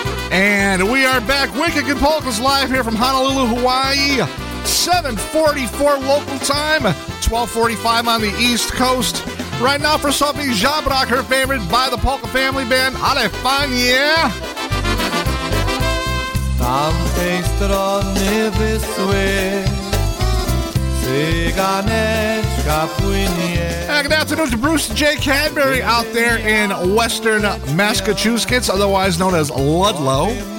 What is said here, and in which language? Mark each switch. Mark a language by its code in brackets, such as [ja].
[en] And we are back, Wicked Good Polkas live here from Honolulu, Hawaii. 7:44 local time, 12:45 on the East Coast. Right now for Sophie Jabrak, her favorite by the Polka Family Band, Alefania. [pl] Tam tej strony Wisły, cyganeczka płynie. [en] And good afternoon to Bruce J. Cadbury out there in Western Massachusetts, otherwise known as Ludlow.